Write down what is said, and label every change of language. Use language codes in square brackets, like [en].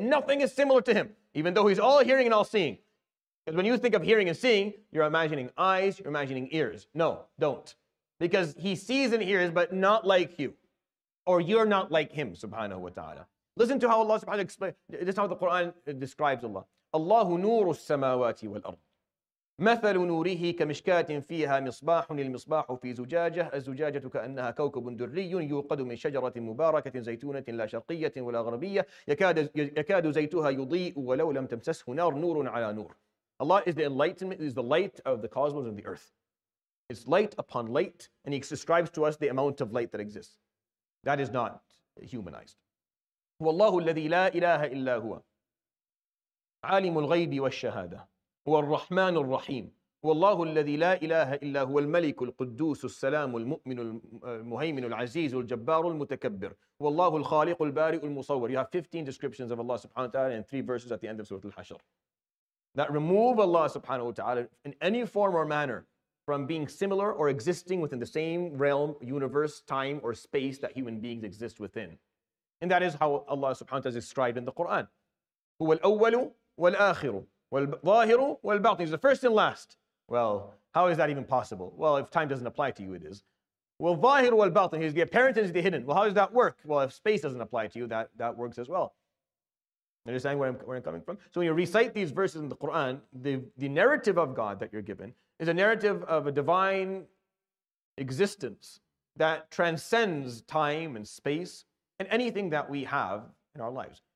[en] Nothing is similar to him, even though he's all hearing and all seeing. Because when you think of hearing and seeing, you're imagining eyes, you're imagining ears. No, don't. Because he sees and hears, but not like you. Or you're not like him, subhanahu wa ta'ala. Listen to how Allah subhanahu wa ta'ala explains. This is how the Quran describes Allah. [ar] اللَّهُ نُورُ السَّمَاوَاتِ وَالْأَرْضِ. مثل نوره كمشكات فيها مصباح المصباح في زجاجة الزجاجة كأنها كوكب دري يوقد من شجرة مباركة زيتونة لا شرقية ولا غربية يكاد زيتها يضيء ولو لم تمسسه نار نور على نور. [en] Allah is the enlightenment, is the light of the cosmos and the earth. It's light upon light, and he describes to us the amount of light that exists. That is not humanized. [ar] هو الله الذي لا إله إلا هو عالم الغيب والشهادة هو الرحمن الرحيم هو الله الذي لا إله إلا هو الملك القدوس السلام المؤمن المهيمن العزيز الجبار المتكبر هو الله الخالق البارئ المصور. [en] You have 15 descriptions of Allah subhanahu wa ta'ala and 3 verses at the end of Surah Al-Hashr that remove Allah subhanahu wa ta'ala in any form or manner from being similar or existing within the same realm, universe, time or space that human beings exist within. And that is how Allah subhanahu wa ta'ala is described in the Quran. [ar] هو الأول والآخر والظاهر والباطن. [en] He's the first and last. Well, how is that even possible? Well, if time doesn't apply to you, it is. [ar] والظاهر والباطن. [en] He's the apparent and he's the hidden. Well, how does that work? Well, if space doesn't apply to you, that works as well. Understand where I'm coming from? So when you recite these verses in the Quran, the narrative of God that you're given is a narrative of a divine existence that transcends time and space and anything that we have in our lives.